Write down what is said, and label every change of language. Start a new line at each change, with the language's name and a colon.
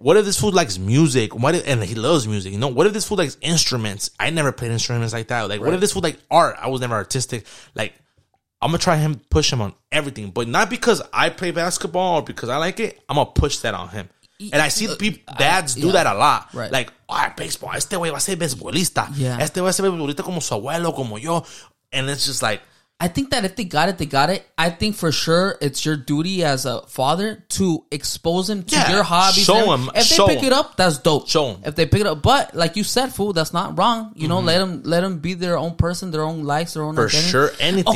English: What if this fool likes music? What if, and he loves music. You know, what if this fool likes instruments? I never played instruments like that. Like, right. What if this fool like art? I was never artistic. Like, I'm going to try him, push him on everything. But not because I play basketball or because I like it. I'm going to push that on him. And I see dads do that a lot. Right. Like, oh, baseball.
Spanish: Este güey va a ser beisbolista.
English: Yeah.
Spanish: Este güey va a ser beisbolista como su abuelo, como yo.
English: And it's just like... I think that if they got it, they got it. I think for sure it's your duty as a father to expose him to your hobbies. Show him. If they pick it up, that's dope. Show him. If they pick it up. But like you said, fool, that's not wrong. You know, let them be their own person, their own likes, their own identity. For sure, anything.